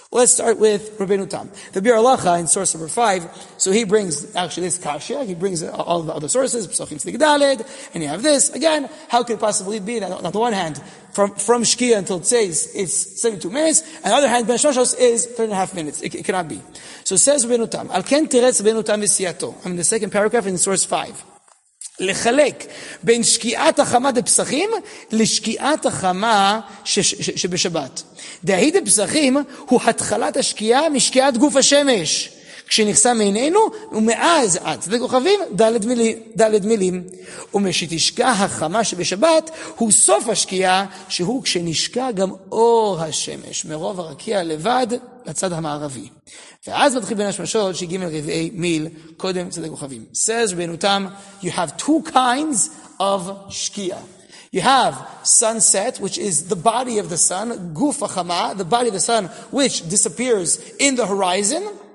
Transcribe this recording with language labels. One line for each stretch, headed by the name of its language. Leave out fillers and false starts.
English: Let's start with Rabbeinu Tam. The Bir Halacha in source number 5, so he brings, actually this Kashya, he brings all the other sources, Pesachim Tzidik Daled, and you have this. Again, how could it possibly be that on the one hand, from Shkia until Tzeis, it's 72 minutes, and on the other hand, Bein HaShemashot is 3.5 minutes. It cannot be. So says Rabbeinu Tam,
Hebrew: Al Ken Teretz Rabbeinu Tam V'Siyato,
English: I'm in the second paragraph in source 5.
Hebrew: לחלק בין שקיעת החמה דפסחים לשקיעת החמה שבשבת. דהי דפסחים הוא התחלת השקיעה משקיעת גוף השמש, כשנחסם עינינו, ומאז עד צדק כוכבים, דלת מילים. ומשתשקע החמה שבשבת, הוא סוף השקיעה, שהוא כשנשקע גם אור השמש, מרוב הרקיע לבד לצד המערבי. ואז מתחיל בין השמשות, שגימל רבעי מיל, קודם צדק כוכבים.
English: Says בין אותם, you have 2 kinds of שקיעה. You have sunset, which is the body of the sun, גוף החמה, the body of the sun, which disappears in the horizon.